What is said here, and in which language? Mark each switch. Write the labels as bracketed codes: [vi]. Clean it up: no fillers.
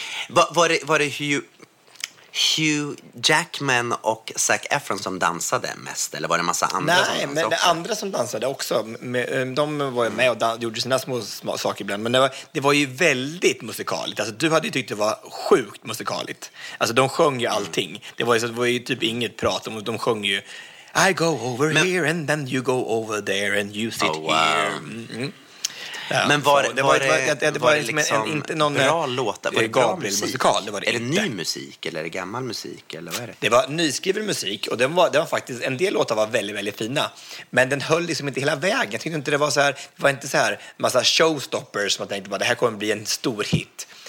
[sv] var det Hugh Jackman och Zac Efron som dansade mest? Eller var det en massa andra? Nej, men det andra som dansade också. De var ju med och gjorde sina små saker ibland. Men det var ju väldigt musikaligt. Alltså, du hade ju tyckt det var sjukt musikaligt. Alltså, de sjöng ju allting. Det var ju typ inget prat om. De sjöng ju [en] I go over here and then you go over there and you sit here. Mm-hmm. [sv] Ja, men var det var det var liksom en, inte någon bra låta, var det Gabriel musikal, det var det är det ny musik eller är det gammal musik eller vad är det? Det var nyskriven musik och den var faktiskt en del låtar var väldigt väldigt fina, men den höll liksom inte hela vägen. Jag tyckte inte det var så här, det var inte så här massa showstoppers som att tänkte bara det här kommer bli en stor hit.